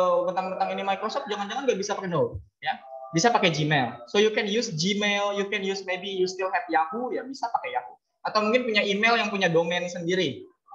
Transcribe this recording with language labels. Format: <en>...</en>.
<id>Tentang ini Microsoft, jangan-jangan nggak bisa pakai Node. Bisa pakai Gmail.</id> <en>So you can use Gmail, you can use maybe you still have Yahoo,</en> <id>ya bisa pakai Yahoo. Atau mungkin punya email yang punya domain sendiri.</id>